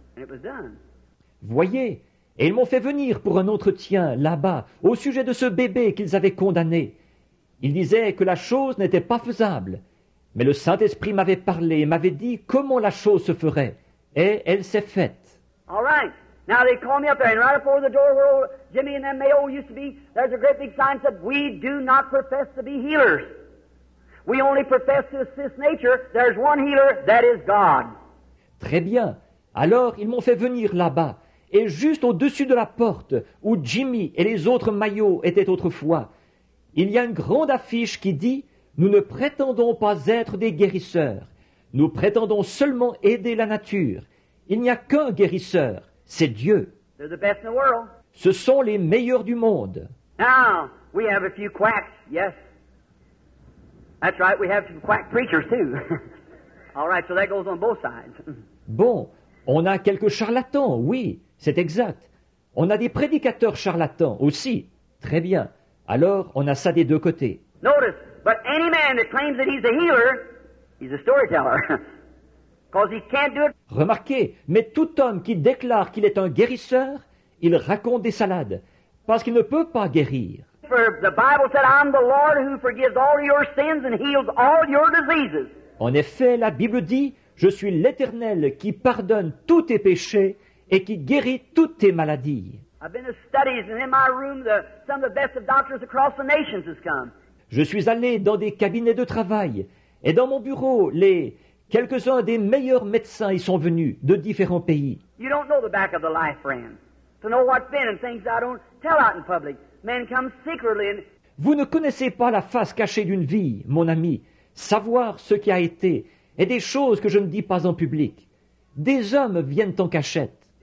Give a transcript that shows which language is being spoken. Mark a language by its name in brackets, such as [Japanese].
[English] And it was done. [French] Voyez, et ils m'ont fait venir pour un entretien, là-bas, au sujet de ce bébé qu'ils avaient condamné. Ils disaient que la chose n'était pas faisable. Mais le Saint-Esprit m'avait parlé et m'avait dit comment la chose se ferait. Et elle s'est faite. [English] All right. Now they call me up there, and right before the door where old Jimmy and them Mayo used to be, there's a great big sign that said, we do not profess to be healers. We only profess to assist nature. There's one healer, that is God. [French] Très bien. Alors, ils m'ont fait venir là-bas. Et juste au-dessus de la porte où Jimmy et les autres Mayo étaient autrefois, il y a une grande affiche qui dit « Nous ne prétendons pas être des guérisseurs. Nous prétendons seulement aider la nature. Il n'y a qu'un guérisseur, c'est Dieu. [English] The best in the world. [French] Ce sont les meilleurs du monde. » [English] Now, we have a few quacks, yes. That's right, we have some quack preachers too. All right, so that goes on both sides. [French] Bon, on a quelques charlatans, oui, c'est exact. On a des prédicateurs charlatans aussi, très bien. Alors, on a ça des deux côtés. [English] Notice, but any man that claims that he's a healer, he's a storyteller. Because he can't do it. [French] Remarquez, mais tout homme qui déclare qu'il est un guérisseur, il raconte des salades, parce qu'il ne peut pas guérir. [English] For the Bible said, I'm the Lord who forgives all your sins and heals all your diseases. [French] En effet, la Bible dit, je suis l'Éternel qui pardonne tous tes péchés et qui guérit toutes tes maladies. [English] I've been to studies, and in my room, some of the best of doctors across the nations has come. [French] Je suis allé dans des cabinets de travail, et dans mon bureau, quelques-uns des meilleurs médecins y sont venus, de différents pays. [English] You don't know the back of the life, friend. To know what's been and things I don't tell out in public. Men come secretly and... [French] Vous ne connaissez pas la face cachée d'une vie, mon ami. Savoir ce qui a été, et des choses que je ne dis pas en public. Des hommes viennent en cachette.